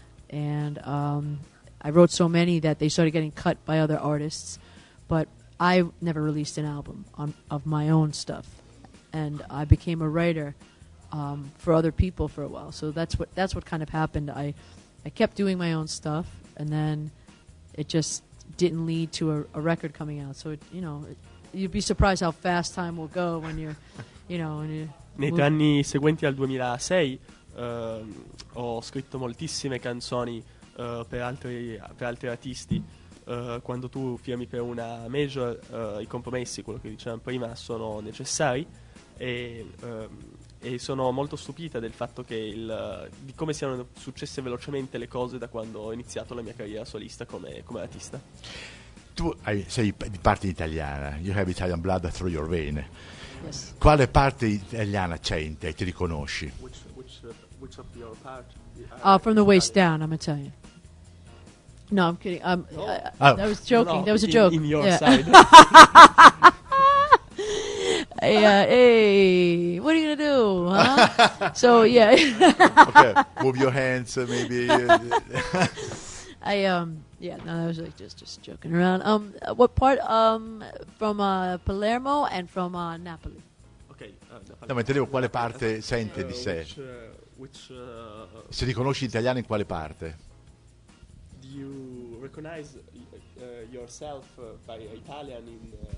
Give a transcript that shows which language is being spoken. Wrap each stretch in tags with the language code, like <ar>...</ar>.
<en>and I wrote so many that they started getting cut by other artists, but I never released an album of my own stuff, and I became a writer for other people for a while. So that's what kind of happened. I kept doing my own stuff, and then it just didn't lead to a record coming out. So you'd be surprised how fast time will go when you're, you know.</en> <it>Nei tre anni seguenti al 2006 ho scritto moltissime canzoni per altri artisti. Quando tu firmi per una major, i compromessi, quello che dicevamo prima, sono necessari e sono molto stupita del fatto che di come siano successe velocemente le cose da quando ho iniziato la mia carriera solista come artista. Tu sei di parte italiana,</it> <en>you have Italian blood through your vein. Yes.</en> <it>Quale parte italiana c'è in te, ti riconosci?</it> <en>Which of your part? From the waist down, I'm Italian. No, I'm kidding. That was joking. No, that was a joke. In your side. Yeah. Hey, what are you gonna do? Huh? So yeah. Okay. Move your hands, maybe. I was like just joking around. What part? From Palermo and from Napoli. Okay.</en> <it>No, ma intendevo quale parte sente di sé.</it> <en>Which</en> <it>se riconosci italiano in quale parte?</it> <en>You recognize yourself by Italian in</en>